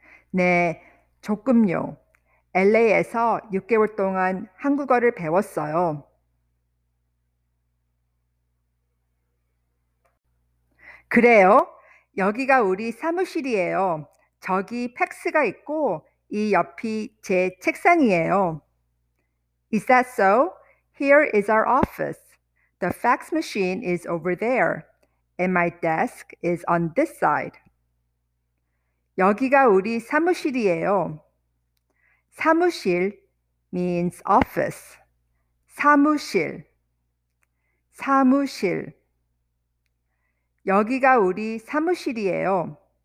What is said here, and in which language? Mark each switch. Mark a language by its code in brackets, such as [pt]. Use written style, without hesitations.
[ko] 네, 조금요. LA에서 6개월 동안 한국어를 배웠어요. 그래요? 여기가 우리 사무실이에요. 저기 팩스가 있고 이 옆이 제 책상이에요. [en] Is that so? Here is our office. The fax machine is over there, and my desk is on this side. [ko] 여기가 우리 사무실이에요. [en] 사무실 means office. 사무실. [ko] 사무실. 여기가 우리 사무실이에요.